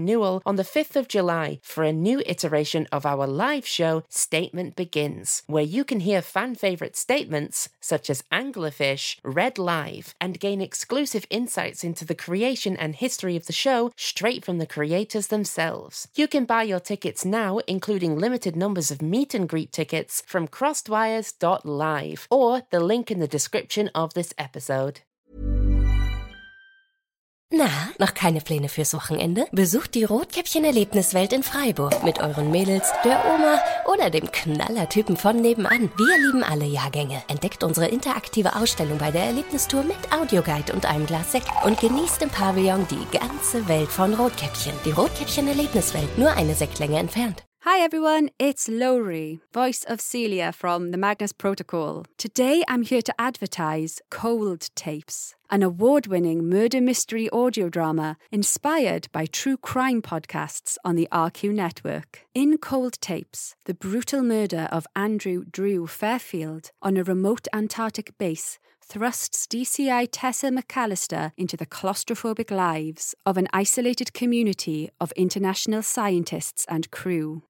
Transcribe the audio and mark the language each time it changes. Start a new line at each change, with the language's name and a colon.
English: Newell on the 5th of July for a new iteration of our live show, Statement Begins, where you can hear fan-favourite statements such as Anglerfish, Red Live, and gain exclusive insights into the creation and history of the show straight from the creators themselves. You can buy your tickets now, including limited numbers of meet and greet tickets, from crossedwires.live or the link in the description of this episode.
German: Na, noch keine Pläne fürs Wochenende? Besucht die Rotkäppchen-Erlebniswelt in Freiburg mit euren Mädels, der Oma oder dem Knallertypen von nebenan. Wir lieben alle Jahrgänge. Entdeckt unsere interaktive Ausstellung bei der Erlebnistour mit Audioguide und einem Glas Sekt und genießt im Pavillon die ganze Welt von Rotkäppchen. Die Rotkäppchen-Erlebniswelt, nur eine Sektlänge entfernt.
English: Hi everyone, it's Lowry, voice of Celia from the Magnus Protocol. Today I'm here to advertise Cold Tapes, an award-winning murder mystery audio drama inspired by true crime podcasts on the RQ network. In Cold Tapes, the brutal murder of Andrew Drew Fairfield on a remote Antarctic base thrusts DCI Tessa McAllister into the claustrophobic lives of an isolated community of international scientists and crew.